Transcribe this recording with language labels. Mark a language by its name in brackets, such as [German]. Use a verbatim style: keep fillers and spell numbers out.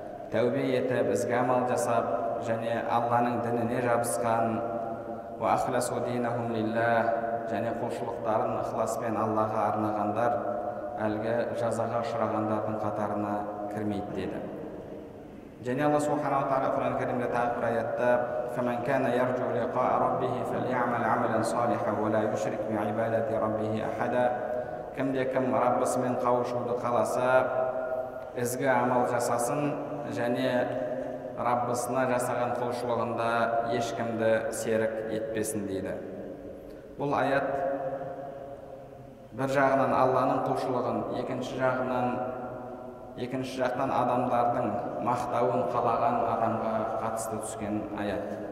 [Kazakh] Тәубе етіп, ізгі амал жасап және Алланың дініне жабысқан, [Arabic] ва ахласу динахум лиллах, [Kazakh] және құлшылықтарын ықыласпен Аллаға арнағандар әлгі жазаға ұшырағандардың қатарына кірмейді деді. Және Алла субханаху ва тағала Құран Кәрімде тағы бір аятта [Arabic] فَمَنْ كَانَ يَرْجُعُ لِقَاءَ رَبِّهِ فَلْيَعْمَلْ عَمَلًا صَالِحًا وَلَا يُشْرِكْ بِعِبَادَةِ رَبِّهِ أَحَدًا. [Kazakh] Кімде-кім Раббысымен қауышуды қаласа, ізгі амал жасасын және Раббысына жасаған құлшылығында ешкімді серік етпесін дейді. Бұл аят бір жағынан Алланың құлшылығын, екінші жағынан екінші жақтан адамдардың мақтауын қалаған адамға қатысты түскен аят.